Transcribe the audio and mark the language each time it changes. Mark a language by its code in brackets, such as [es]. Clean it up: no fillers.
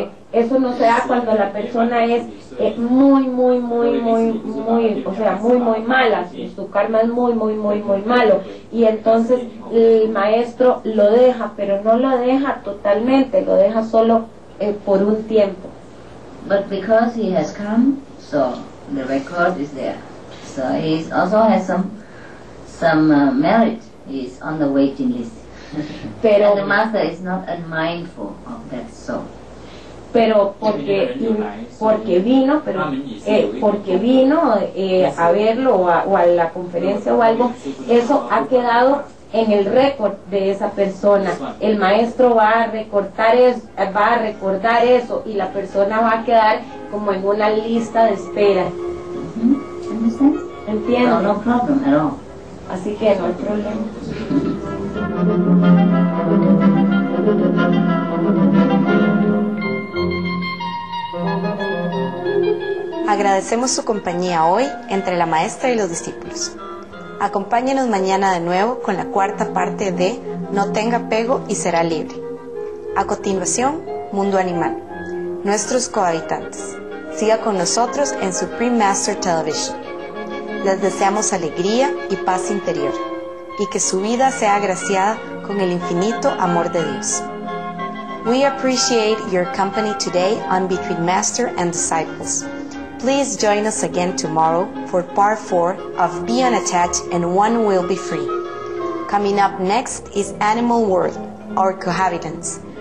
[es] Eso no se da cuando la persona es muy mala, su karma es muy malo, y entonces el maestro lo deja, pero no lo deja totalmente, lo deja solo por un tiempo. [en] But because he has come, so the record is there. he also has some merit. He's on the waiting list. [es] Pero, [en] and the master is not unmindful of that soul. [es] Pero porque, porque vino, pero porque vino a verlo o a la conferencia o algo, eso ha quedado en el récord de esa persona. El maestro va a recortar eso, va a recordar eso y la persona va a quedar como en una lista de espera. Entiendo. [en] No, no problem at all. [es] Así que no hay problema. Agradecemos su compañía hoy entre la maestra y los discípulos. Acompáñenos mañana de nuevo con la cuarta parte de No tenga apego y será libre. A continuación, Mundo Animal, nuestros cohabitantes. Siga con nosotros en Supreme Master Television. Les deseamos alegría y paz interior y que su vida sea agraciada con el infinito amor de Dios. [en] We appreciate your company today on Between Master and Disciples. Please join us again tomorrow for part 4 of Be Unattached and One Will Be Free. Coming up next is Animal World, Our Cohabitants.